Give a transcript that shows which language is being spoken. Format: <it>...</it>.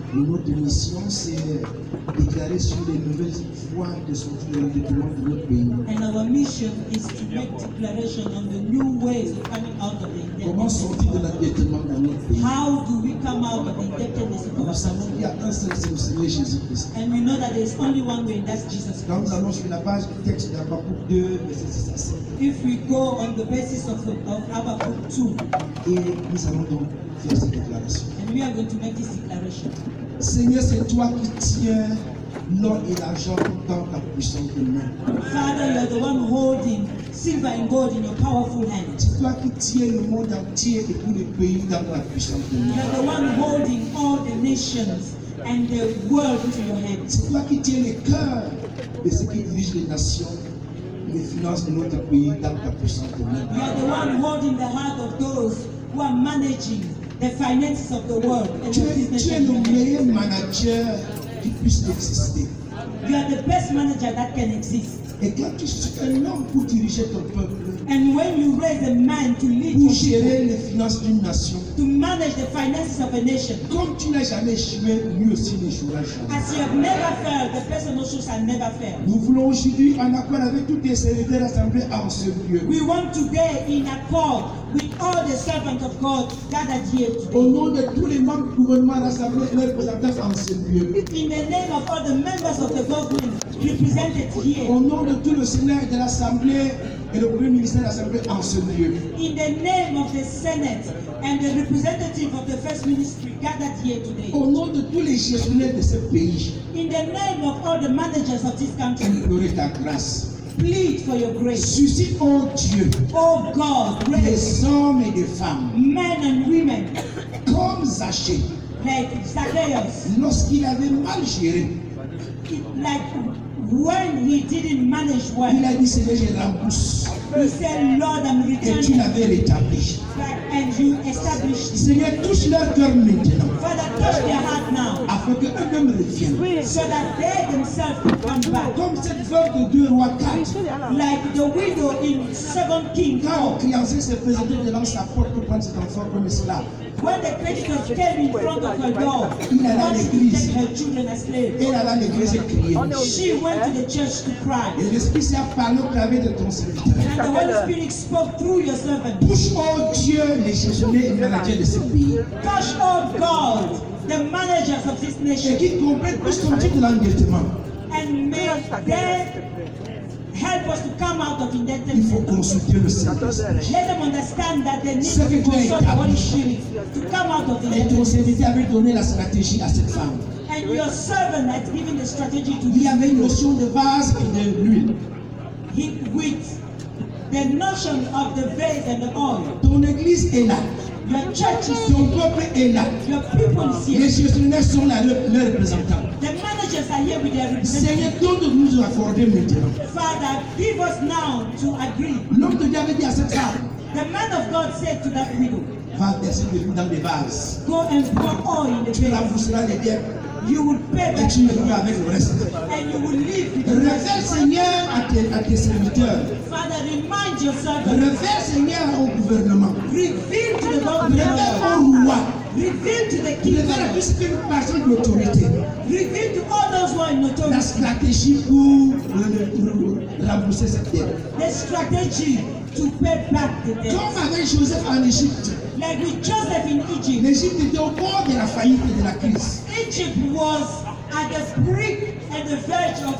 <fr>Notre mission, c'est déclarer sur les nouvelles voies de sortie de l'endettement de notre pays.</fr> <en>And our mission is to make declaration on the new ways of coming out of the indebtedness.</en> <fr>Comment sortir de l'endettement dans notre pays?</fr> <en>How do we come out of the indebtedness?</en> <fr>Nous savons qu'il y a un seul solution, Jésus-Christ.</fr> <en>And we know that there is only one way, and that's Jesus Christ.</en> <fr>Quand nous allons sur la page du texte d'Habacuc 2, verset 6 à 7.</fr> <en>If we go on the basis of Habacuc 2.</en> <fr>Et nous allons donc faire cette déclaration.</fr> <en>And we are going to make this declaration.</en> <fr>Seigneur, c'est toi qui tiens l'or et l'argent dans ta puissante main.</fr> <en>Father, you are the one holding silver and gold in your powerful hand.</en> <fr>C'est toi qui tiens le monde entier et tous les pays dans ta puissante main.</fr> <en>You are the one holding all the nations and the world in your hands.</en> <fr>C'est toi qui tiens le cœur de ce qui dirige les nations. Les finances de notre pays dans ta puissance.</fr> <en>You are the one holding the heart of those who are managing the finances of the world.</en> <fr>Tu es le meilleur manager qui puisse exister.</fr> <en>You are the best manager that can exist.</en> <fr>Et quand tu seras un homme pour diriger ton peuple,</fr> <en>and when you raise a man to lead</en> <fr>pour gérer les finances d'une nation,</fr> <en>to manage the finances of a nation,</en> <fr>comme tu n'as jamais échoué, lui aussi ne jouera jamais.</fr> <en>As you have never failed, the person also shall never fail.</en> <fr>Nous voulons aujourd'hui en accord avec toutes les serviteurs assemblés en ce lieu.</fr> <en>We want today in accord with all the servants of God gathered here today.</en> <fr>Au nom de tous les membres du gouvernement rassemblés, les représentants en ce lieu.</fr> <en>In the name of all the members of the government represented here.</en> <fr>Au nom de tout le Sénat de l'Assemblée et le premier ministère de l'Assemblée en ce lieu.</fr> <en>In the name of the Senate and the representative of the first ministry gathered here today.</en> <fr>Au nom de tous les gestionnaires de ce pays.</fr> <en>In the name of all the managers of this country.</en> <fr>Implorer ta grâce.</fr> <en>Plead for your grace.</en> <fr>Suscite, oh Dieu.</fr> <en>Oh God, grace.</en> <fr>Des hommes et des femmes.</fr> <en>Men and women.</en> <fr>Comme Zachée.</fr> <en>Like Zacchaeus.</en> <fr>Lorsqu'il avait mal géré.</fr> <en>Like when he didn't manage well,</en> <fr>il a dit, Seigneur, je rembourse.</fr> <en>He said, Lord, I'm returning.</en> <fr>Et tu l'avais rétabli.</fr> <en>And you established.</en> <fr>Seigneur, touche leur cœur maintenant.</fr> <en>Father, touch their heart now.</en> <fr>Afin que eux-mêmes reviennent.</fr> <en>So that they themselves can come back.</en> <fr>Comme cette veuve de 2 rois 4.</fr> <en>Like the widow in 2 Kings.</en> <fr>Quand un créancier s'est présenté devant sa porte pour prendre cet enfant comme esclave.</fr> <en>When the creditors came in front of her door,</en> <fr>il alla à l'église.</fr> <en>Her children as slaves.</en> <fr>Elle alla à l'église et criait.</fr> <en>She went to the church to cry.</en> <fr>Et l'Esprit s'est parlé au travers de ton serviteur.</fr> <en>And the Holy Spirit spoke through your servant.</en> <fr>Touche, oh Dieu, les gestionnaires et managers de ce pays.</fr> <en>Touch, oh God, the managers of this nation.</en> <fr>Et qu'ils comprennent tout ton type de l'endettement.</fr> <en>And may they help us to come out of indebtedness.</en> <fr>Il faut consulter le Saint.</fr> <en>Let them understand that they need to consult the Holy Spirit to come out of indebtedness.</en> <fr>Et ton serviteur avait donné la stratégie à cette femme.</fr> <en>And your servant had given the strategy to.</en> <fr>Il avait une notion de vase et de l'huile.</fr> <en>He with the notion of the vase and the oil.</en> <fr>Ton église est là.</fr> <en>Your church is</en> <fr>ton peuple est là.</fr> <en>Your people is here.</en> <fr>Les gestionnaires sont là, leurs représentants.</fr> <en>The managers are here with their representatives.</en> <fr>Seigneur, donne-nous de nous accorder maintenant.</fr> <en>Father, give us now to agree.</en> <fr>L'homme de Dieu avait dit à cette femme.</fr> <en>The man of God said to that widow.</en> <fr>Va verser de l'huile dans des vases.</fr> <en>Go and pour oil in the</en> <fr>vase. Tu rembourseras les dettes.</fr> <en>You will pay back.</en> <fr>Et tu me donneras avec le reste.</fr> <en>And you will live with the</en> <fr>rest. Révèle, Seigneur, à tes serviteurs.</fr> <en>Father, remind your servants.</en> <fr>Révèle, Seigneur, au gouvernement.</fr> <en>Reveal to the Lord.</en> <fr>Révèle au roi.</fr> <en>Reveal to the king.</en> <fr>Révèle à tous ceux qui nous passent l'autorité.</fr> <en>Reveal to all those who are in authority.</en> <fr>La stratégie pour rembourser cette dette.</fr> <en>The strategy to pay back the debt.</en> <fr>Comme avec Joseph en Égypte.</fr> <en>Like with Joseph in Egypt.</en> <fr>L'Égypte était au bord de la faillite et de la crise.</fr> <en>Egypt was at the brink and the verge of.</en>